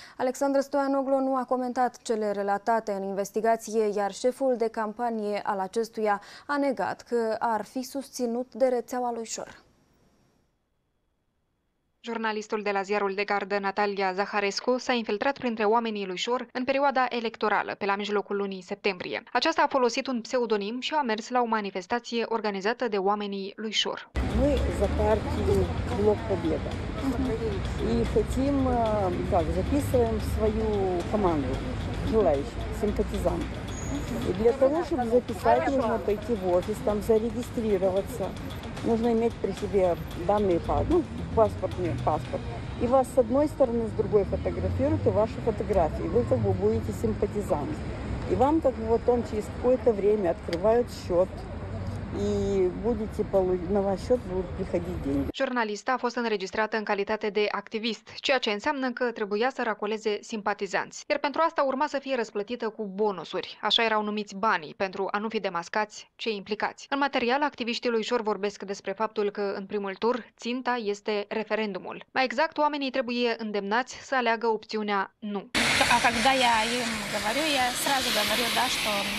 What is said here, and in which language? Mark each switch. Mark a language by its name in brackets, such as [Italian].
[Romanian] Alexandru Stoianoglo nu a comentat cele relatate în investigație, iar șeful de campanie al acestuia a negat că ar fi susținut de rețeaua lui ŠOR. Jurnalistul de la ziarul De Gardă, Natalia Zaharescu, s-a infiltrat printre oamenii lui ŠOR în perioada electorală, pe la mijlocul lunii septembrie. Aceasta a folosit un pseudonim și a mers la o manifestație organizată de oamenii lui ŠOR. [Russian] Noi, за партию Блок Победа, и хотим, записываем свою команду, желающих, симпатизантов. И для того, чтобы записать, нужно пойти в офис, там зарегистрироваться. Нужно иметь при себе данные, ну, паспортный паспорт. И вас с одной стороны, с другой фотографируют, и ваши фотографии. Вы как бы будете симпатизант. И вам как бы вот он через какое-то время открывает счет. И будете на ваш счет будут приходить деньги. [Romanian] Журналиста a fost înregistrată în calitate de activist, ceea ce înseamnă că trebuia să racoleze simpatizanți. Iar pentru asta urma să fie răsplătită cu bonusuri. Așa erau numiți banii, pentru a nu fi demascați cei implicați. În material, activiștii lui Șor vorbesc despre faptul că, în primul tur, ținta este referendumul. Mai exact, oamenii trebuie îndemnați să aleagă opțiunea nu. [Russian] A когда я им говорю, я сразу говорю, да, что